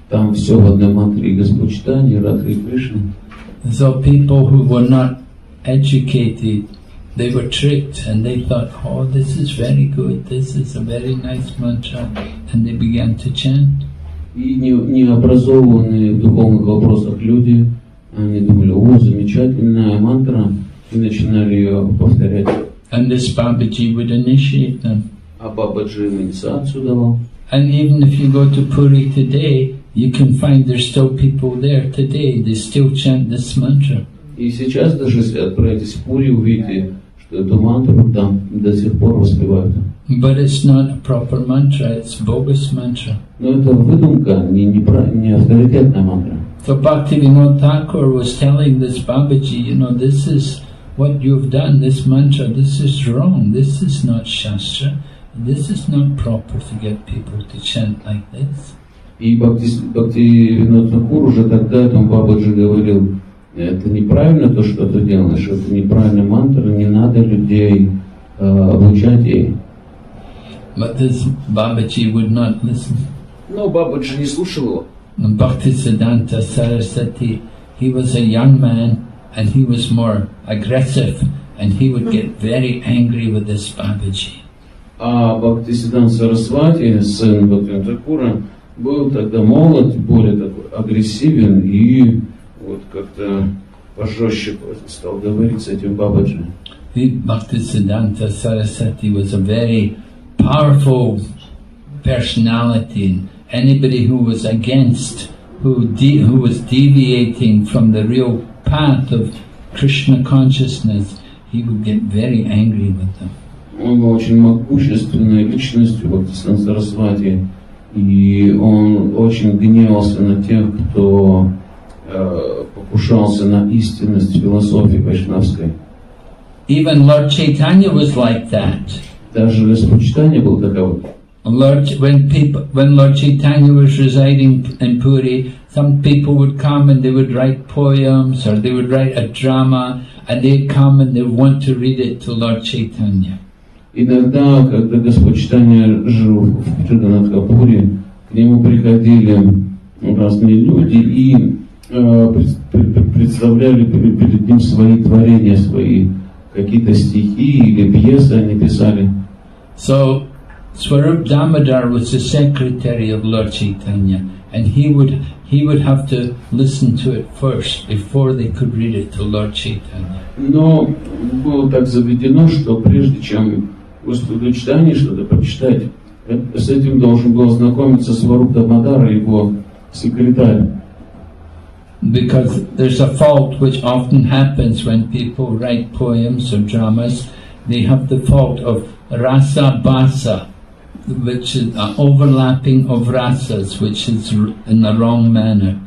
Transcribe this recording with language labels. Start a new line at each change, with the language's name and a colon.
Russian: Там все в одной мантре, Господь Читания, Радха и Кришна.
English: So people who were not educated, they were tricked and they thought, oh, this is very good, this is a very nice mantra, and they began to chant.
Russian: И необразованные в духовных вопросах люди, они думали, о, замечательная мантра, и начинали ее повторять.
English: And this Бабаджи would initiate them.
Russian: А Бабаджи инициацию давал.
English: And even if you go to Puri today, you can find there's still people there today, they still chant this mantra.
Russian: И сейчас даже если отправитесь в Пури, увидите, что эту мантру там до сих пор воспевают.
English: But it's not a proper mantra, it's bogus mantra.
Russian: Но это выдумка, не авторитетная мантра.
English: So Bhaktivinoda Thakur was telling this Бабаджи, you know, this is what you've done, this mantra, this is wrong, this is not shastra, this is not proper to get people to chant like this.
Russian: И Бхактивинода Такур уже тогда этому Бабаджи говорил, это неправильно то, что ты делаешь, это неправильная мантра, не надо людей обучать ей.
English: But this Бабаджи would not listen.
Russian: Но Бабаджи не слушал его.
English: Бхактисиддханта Сарасвати, he was a young man, and he was more aggressive, and he would get very angry with this Бабаджи.
Russian: А Бхактисиддханта Сарасвати, сын Бхактивинода Такура, был тогда молод, более такой агрессивен, и вот как-то пожестче стал говорить с этим Бабаджи.
English: Бхактисиддханта Сарасвати was a very powerful personality. Anybody who was against, who was deviating from the real path of Krishna consciousness, he would get very angry with them.
Russian: Он был очень могущественной личностью, Бхактисиддханта Сарасвати, и он очень гневался на тех, кто покушался на истинность философии вайшнавской.
English: Even Lord Chaitanya was like that.
Russian: Даже Господь Читания был таковым.
English: When Lord Chaitanya was residing in Puri, some people would come and they would write poems or they would write a drama, and they'd come and they'd want to read it to Lord Chaitanya.
Russian: Иногда, когда Господь Читания жил в Чуданатхапуре, к нему приходили разные люди и представляли перед ним свои творения, свои какие-то стихи или пьесы они писали.
English: So Swarup Damodar was the secretary of Lord Chaitanya, and he would have to listen to it first before they could read it to Lord Chaitanya.
Russian: Но было так заведено, что прежде чем Господу Читанию что-то прочитать, с этим должен был ознакомиться Сваруп Дамодар, его секретарь.
English: Because there's a fault which often happens when people write poems or dramas, they have the fault of rasa basa, which is an overlapping of rasas, which is in the wrong manner.